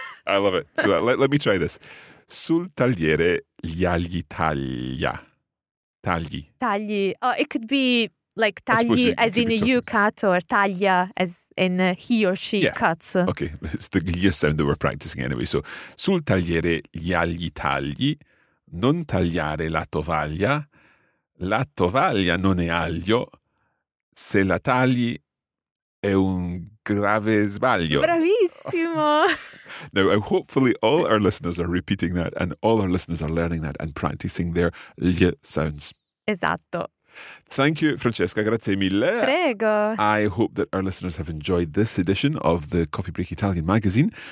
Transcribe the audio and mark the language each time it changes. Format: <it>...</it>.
<en>I love it. So let me try this.</en> <it>Sul tagliere gli agli taglia. Tagli. Tagli.</it> <en>Oh, it could be like tagli as in you cut or taglia as in he or she yeah. cuts. Okay. It's the gli sound that we're practicing anyway.</en> <it>So sul tagliere gli agli tagli, non tagliare la tovaglia. La tovaglia non è aglio, se la tagli è un grave sbaglio. Bravissimo!</it> <en>Now, hopefully all our listeners are repeating that and all our listeners are learning that and practicing their gli sounds.</en> <it>Esatto.</it> <en>Thank you, Francesca.</en> <it>Grazie mille. Prego.</it> <en>I hope that our listeners have enjoyed this edition of the Coffee Break Italian magazine.</en>